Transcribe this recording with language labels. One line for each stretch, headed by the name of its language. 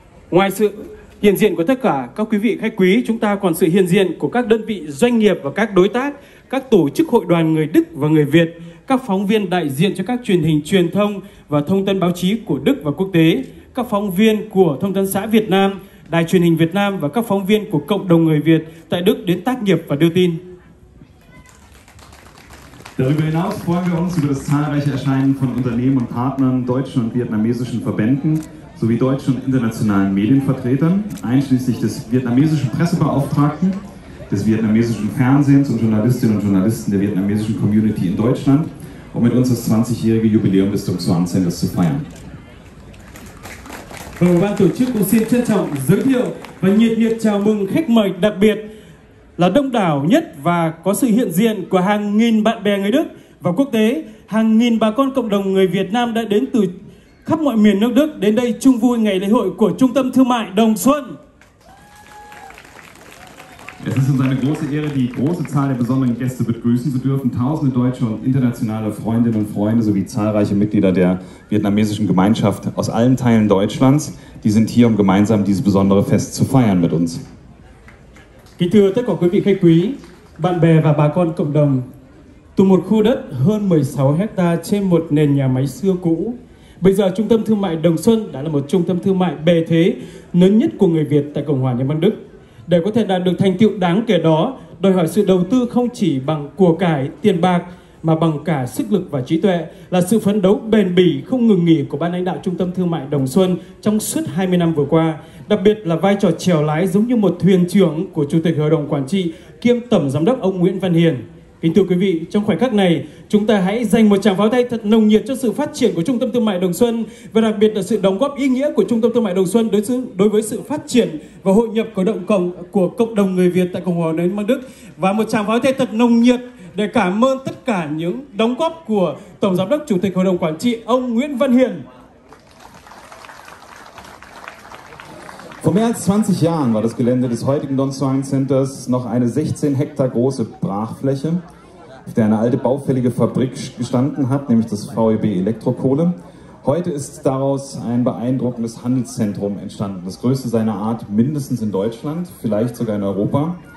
Vietnamese: Ngoài sự hiện diện của tất cả các quý vị khách quý, chúng ta còn sự hiện diện của các đơn vị doanh nghiệp và các đối tác, các tổ chức hội đoàn người Đức và người Việt, các phóng viên đại diện cho các truyền hình truyền thông và thông tấn báo chí của Đức và quốc tế, các phóng viên của Thông tấn xã Việt Nam, Đài truyền hình Việt Nam và các phóng viên của cộng đồng người Việt tại Đức đến tác nghiệp và đưa tin.
German: Darüber hinaus freuen wir uns über das zahlreiche Erscheinen von Unternehmen und Partnern, deutschen und vietnamesischen Verbänden sowie deutschen und internationalen Medienvertretern, einschließlich des vietnamesischen Pressebeauftragten, des vietnamesischen Fernsehens und Journalistinnen und Journalisten der vietnamesischen Community in Deutschland, um mit uns das 20-jährige Jubiläum des Dong Xuan Centers zu feiern.
Vietnamese: Và ban tổ chức cũng xin trân trọng giới thiệu và nhiệt liệt chào mừng khách mời đặc biệt là đông đảo nhất và có sự hiện diện của hàng nghìn bạn bè người Đức và quốc tế, hàng nghìn bà con cộng đồng người Việt Nam đã đến từ khắp mọi miền nước Đức đến đây chung vui ngày lễ hội của Trung tâm Thương mại Đồng Xuân.
German: Es ist uns eine große Ehre, die große Zahl der besonderen Gäste begrüßen zu dürfen. Tausende deutsche und internationale Freundinnen und Freunde sowie zahlreiche Mitglieder der vietnamesischen Gemeinschaft aus allen Teilen Deutschlands, die sind hier, um gemeinsam dieses besondere Fest zu feiern mit uns.
Vietnamese: Kính thưa tất cả quý vị khách quý, bạn bè và bà con cộng đồng Từ một khu đất hơn 16 hectare trên một nền nhà máy xưa cũ, bây giờ trung tâm thương mại Đồng Xuân đã là một trung tâm thương mại bề thế lớn nhất của người Việt tại Cộng hòa Liên bang Đức. Để có thể đạt được thành tựu đáng kể đó, đòi hỏi sự đầu tư không chỉ bằng của cải, tiền bạc, mà bằng cả sức lực và trí tuệ, là sự phấn đấu bền bỉ không ngừng nghỉ của ban lãnh đạo trung tâm thương mại Đồng Xuân trong suốt 20 năm vừa qua, đặc biệt là vai trò chèo lái giống như một thuyền trưởng của chủ tịch hội đồng quản trị kiêm tổng giám đốc ông Nguyễn Văn Hiền. Kính thưa quý vị, trong khoảnh khắc này, chúng ta hãy dành một tràng pháo tay thật nồng nhiệt cho sự phát triển của trung tâm thương mại Đồng Xuân và đặc biệt là sự đóng góp ý nghĩa của trung tâm thương mại Đồng Xuân đối với sự phát triển và hội nhập của cộng đồng người Việt tại Cộng hòa Liên bang Đức, và một tràng pháo tay thật nồng nhiệt để cảm ơn tất cả những đóng góp của Tổng Giám đốc Chủ tịch Hội đồng Quản trị ông Nguyễn Văn Hiền.
German: Vor mehr als 20 Jahren war das Gelände des heutigen Don Swan Centers noch eine 16 Hektar große Brachfläche, auf der eine alte baufällige Fabrik gestanden hat, nämlich das VEB Elektrokohle. Heute ist daraus ein beeindruckendes Handelszentrum entstanden, das größte seiner Art mindestens in Deutschland, vielleicht sogar in Europa.